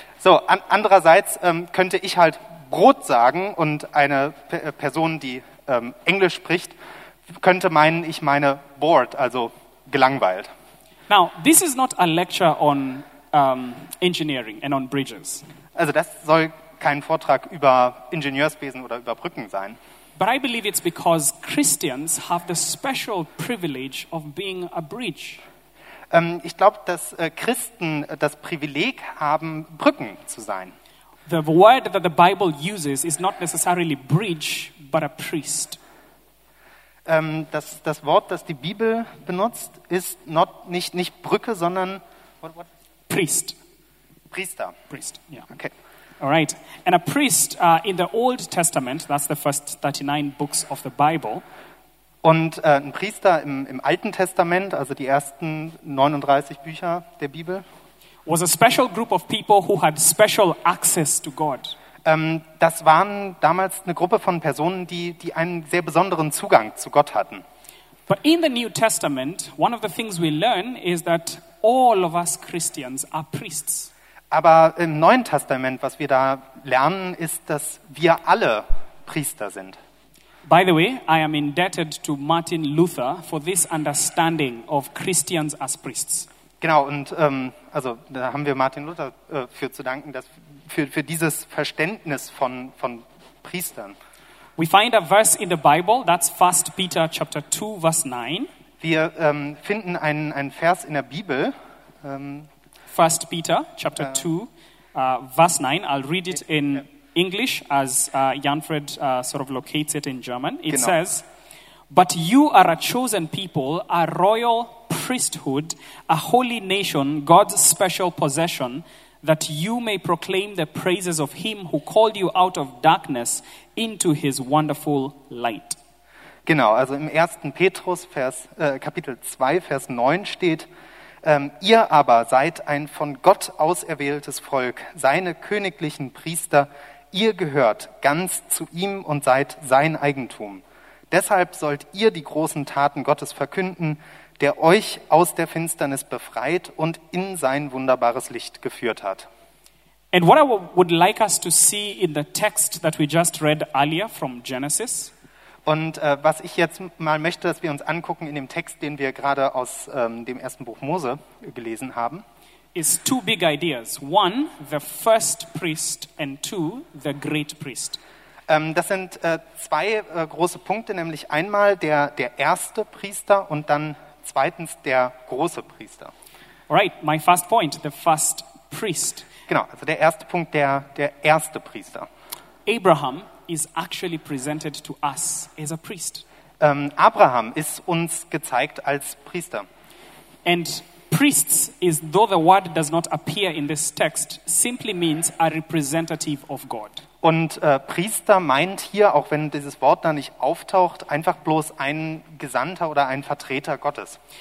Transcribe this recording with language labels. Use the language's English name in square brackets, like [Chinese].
[German] So, andererseits könnte ich halt Brot sagen, und eine Person, die Englisch spricht, könnte meinen, ich meine bored, also gelangweilt. [English] Now, this is not a lecture on engineering and on bridges. [German] Also das soll kein Vortrag über Ingenieurswesen oder über Brücken sein. [English] But I believe it's because Christians have the special privilege of being a bridge. [German] Ich glaube, dass Christen das Privileg haben, Brücken zu sein. [English] The word that the Bible uses is not necessarily bridge, but a priest. [German] Das Wort, das die Bibel benutzt, ist nicht Brücke, sondern [English] what? Priest. [German] Priester. [English] Priest, yeah. Okay. All right. And a priest in the Old Testament, that's the first 39 books of the Bible. [German] Und ein Priester im Alten Testament, also die ersten 39 Bücher der Bibel. [English] Was a special group of people who had special access to God. [German] Das waren damals eine Gruppe von Personen, die einen sehr besonderen Zugang zu Gott hatten. [English] But in the New Testament, one of the things we learn is that all of us Christians are priests. [German] Aber im Neuen Testament, was wir da lernen, ist, dass wir alle Priester sind. [English] By the way, I am indebted to Martin Luther for this understanding of Christians as priests. [German] Genau, und also da haben wir Martin Luther für zu danken, dass für dieses Verständnis von Priestern. [English] We find a verse in the Bible, that's 1 Peter chapter 2, verse 9. [German] Wir finden einen Vers in der Bibel. [English] 1 Peter chapter 2, verse 9. I'll read it in English as Janfred sort of locates it in German. It [German] genau. [English] says, "But you are a chosen people, a royal priesthood, a holy nation, God's special possession, that you may proclaim the praises of him who called you out of darkness into his wonderful light." [German] Genau, also im 1. Petrus Kapitel 2, Vers 9 steht, ihr aber seid ein von Gott auserwähltes Volk, seine königlichen Priester, ihr gehört ganz zu ihm und seid sein Eigentum. Deshalb sollt ihr die großen Taten Gottes verkünden, der euch aus der Finsternis befreit und in sein wunderbares Licht geführt hat. [English] And what I would like us to see in the text that we just read earlier from Genesis. [German] Und was ich jetzt mal möchte, dass wir uns angucken in dem Text, den wir gerade aus dem ersten Buch Mose gelesen haben, [English] is two big ideas. One, the first priest, and two, the great priest. [German] Das sind zwei große Punkte, nämlich einmal der erste Priester und dann zweitens der große Priester. [English] Right, my first point, the first priest. [German] Genau, also der erste Punkt, der erste Priester. [English] Abraham is actually presented to us as a priest. [German] Abraham ist uns gezeigt als Priester. [English] And priests is, though the word does not appear in this text, simply means a representative of God. [German] Und Priester meint hier, auch wenn dieses Wort da nicht auftaucht, einfach bloß ein Gesandter oder ein Vertreter Gottes.